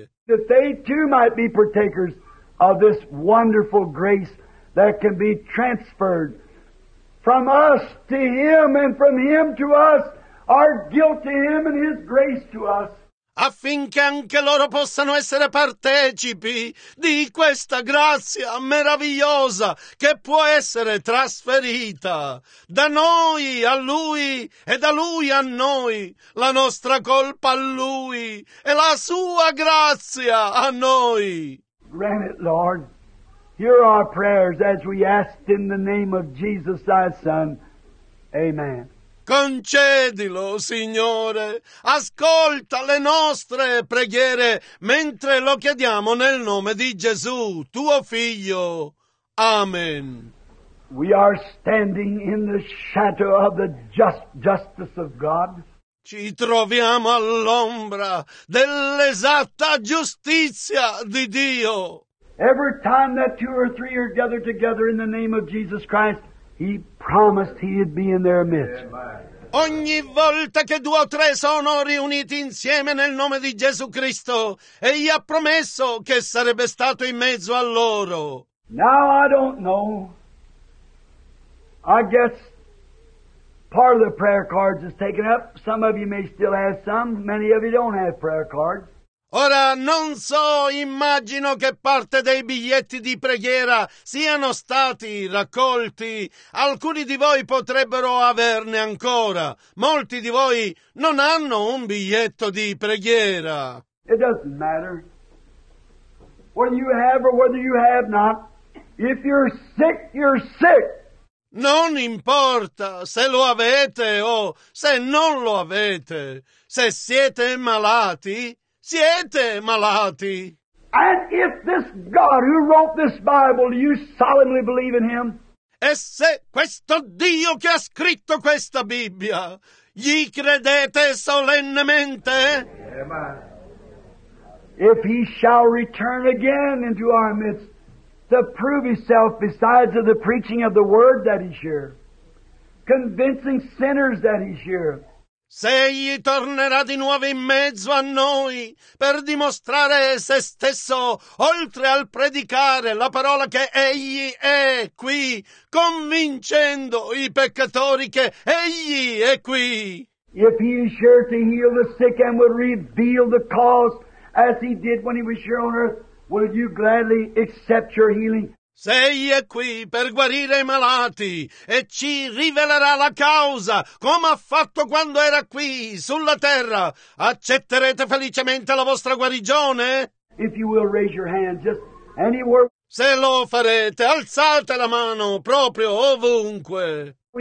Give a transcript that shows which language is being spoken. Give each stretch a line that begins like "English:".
English: That they too might be partakers of this wonderful grace that can be transferred from us to him and from him to us, our guilt to him and his grace to us.
Italian: Affinché anche loro possano essere partecipi di questa grazia meravigliosa che può essere trasferita da noi a Lui e da Lui a noi, la nostra colpa a Lui e la Sua grazia a noi.
English: Grant it, Lord. Hear our prayers as we ask in the name of Jesus, thy Son. Amen.
Italian: Concedilo, Signore, ascolta le nostre preghiere mentre lo chiediamo nel nome di Gesù, tuo Figlio. Amen.
English: We are standing in the shadow of the justice of God.
Italian: Ci troviamo all'ombra dell'esatta giustizia di Dio.
English: Every time that two or three are gathered together in the name of Jesus Christ, He promised He'd be in their midst.
Italian: Ogni volta che due o tre sono riuniti insieme nel nome di Gesù Cristo, Egli ha promesso che sarebbe stato in mezzo a loro.
English: Now I don't know. I guess part of the prayer cards is taken up. Some of you may still have some. Many of you don't have prayer cards.
Italian: Ora, non so, immagino che parte dei biglietti di preghiera siano stati raccolti. Alcuni di voi potrebbero averne ancora. Molti di voi non hanno un biglietto di preghiera.
English: It doesn't matter whether you have or whether you have not. If you're sick, you're sick.
Italian: Non importa se lo avete o se non lo avete. Se siete malati, siete malati.
English: And if this God who wrote this Bible, you solemnly believe in him?
Italian: E se questo Dio che ha scritto questa Bibbia, gli credete solennemente?
English: If he shall return again into our midst to prove himself besides of the preaching of the word that he's here, convincing sinners that he's here,
Italian: se egli tornerà di nuovo in mezzo a noi per dimostrare se stesso, oltre al predicare la parola che egli è qui, convincendo i peccatori che egli è qui.
English: If he is sure to heal the sick and will reveal the cause as he did when he was here on earth, will you gladly accept your healing?
Italian: Se egli è qui per guarire i malati e ci rivelerà la causa, come ha fatto quando era qui, sulla terra, accetterete felicemente la vostra guarigione?
English: If you will raise your hand, just anywhere.
Italian: Se lo farete, alzate la mano, proprio ovunque.